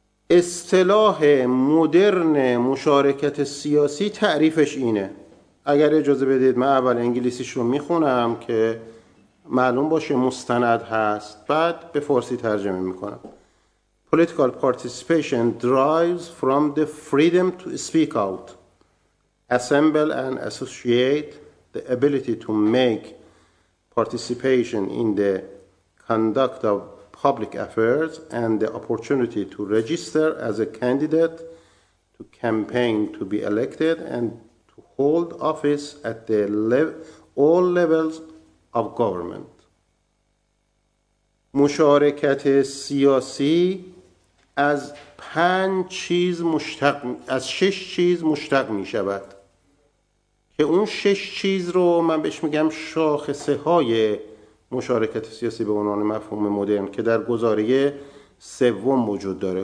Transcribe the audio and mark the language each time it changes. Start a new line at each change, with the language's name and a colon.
Persian: اصطلاح مدرن مشارکت سیاسی تعریفش اینه. اگر اجازه بدید من اول انگلیسیش رو میخونم که معلوم باشه مستند هست، بعد به فارسی ترجمه میکنم.
English: Political participation derives from the freedom to speak out, assemble and associate, the ability to make participation in the conduct of public affairs and the opportunity to register as a candidate, to campaign, to be elected and to hold office at the all levels of government.
Persian: مشارکت سیاسی از پنج چیز مشتق، از شش چیز مشتق می شود که اون شش چیز رو من بهش میگم شاخصه های مشارکت سیاسی به عنوان مفهوم مدرن که در گزاره سوم وجود داره.